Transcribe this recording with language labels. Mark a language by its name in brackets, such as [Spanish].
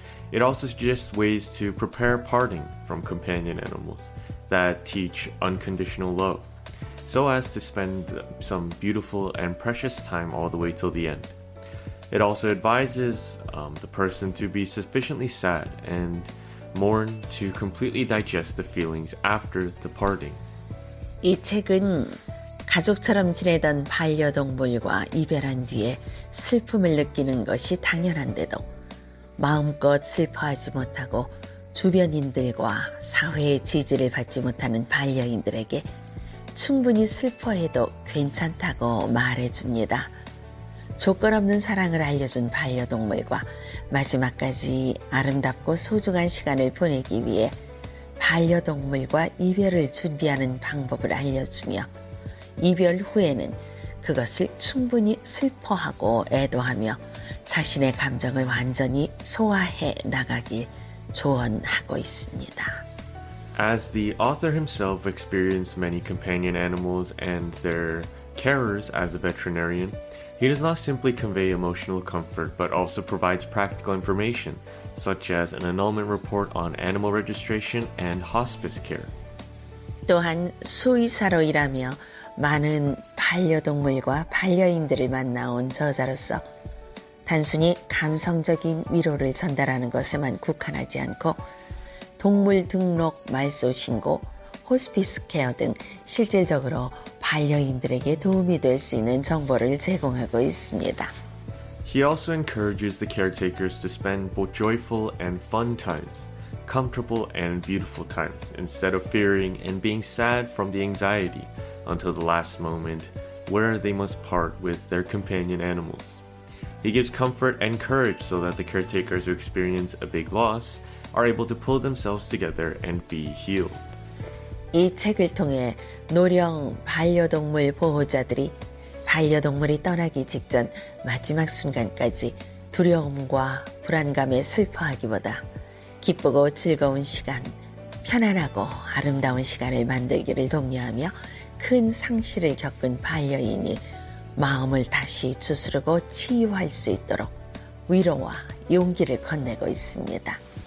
[English] It also suggests ways to prepare parting from companion animals that teach unconditional love, so as to spend some beautiful and precious time all the way till the end. It also advises the person to be sufficiently sad and mourn to completely digest the feelings after the parting. [Korean] 이 책은 가족처럼 지내던 반려동물과 이별한 뒤에 슬픔을 느끼는 것이 당연한데도 마음껏 슬퍼하지 못하고 주변인들과 사회의 지지를 받지 못하는 반려인들에게 충분히 슬퍼해도 괜찮다고 말해줍니다. 조건 없는 사랑을 알려준 반려동물과 마지막까지 아름답고 소중한 시간을 보내기 위해 반려동물과 이별을 준비하는 방법을 알려주며 이별 후에는 그것을 충분히 슬퍼하고 애도하며 자신의 감정을 완전히 소화해 나가길 조언하고 있습니다. [English] As the author himself experienced many companion animals and their carers as a veterinarian, he does not simply convey emotional comfort, but also provides practical information, such as an annulment report on animal registration and hospice care. [Korean] 또한 수의사로 일하며 많은 반려동물과 반려인들을 만나온 저자로서 단순히 감성적인 위로를 전달하는 것에만 국한하지 않고 동물 등록 말소 신고, 호스피스 케어 등 실질적으로 반려인들에게 도움이 될 수 있는 정보를 제공하고 있습니다. [English] He also encourages the caretakers to spend both joyful and fun times, comfortable and beautiful times, instead of fearing and being sad from the anxiety until the last moment where they must part with their companion animals. He gives comfort and courage so that the caretakers who experience a big loss are able to pull themselves together and be healed. [Korean] 이 책을 통해 노령 반려동물 보호자들이 반려동물이 떠나기 직전 마지막 순간까지 두려움과 불안감에 슬퍼하기보다 기쁘고 즐거운 시간, 편안하고 아름다운 시간을 만들기를 독려하며 큰 상실을 겪은 반려인이 마음을 다시 추스르고 치유할 수 있도록 위로와 용기를 건네고 있습니다.